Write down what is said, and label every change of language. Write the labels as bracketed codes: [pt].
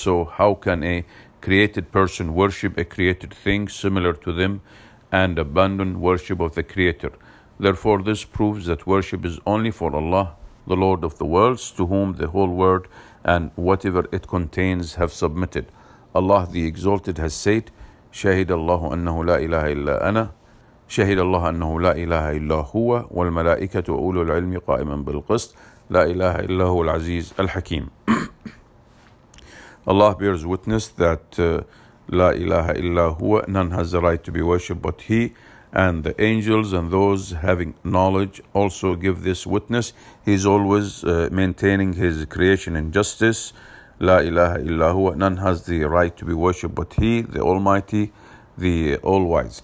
[en] So how can a created person worship a created thing similar to them and abandon worship of the Creator? Therefore, this proves that worship is only for Allah, the Lord of the worlds, to whom the whole world and whatever it contains have submitted. Allah the Exalted has said, [ar] شهد الله أنه لا إله إلا أنا شهد الله أنه لا إله إلا هو والملائكة وأولو العلم قائما بالقسط لا إله إلا هو العزيز الحكيم. [en] Allah bears witness that [ar] لا إله إلا هو, [en] none has the right to be worshipped but He, and the angels and those having knowledge also give this witness. He is always maintaining His creation in justice. [ar] لا إله إلا هو, [en] none has the right to be worshipped but He, the Almighty, the All-Wise.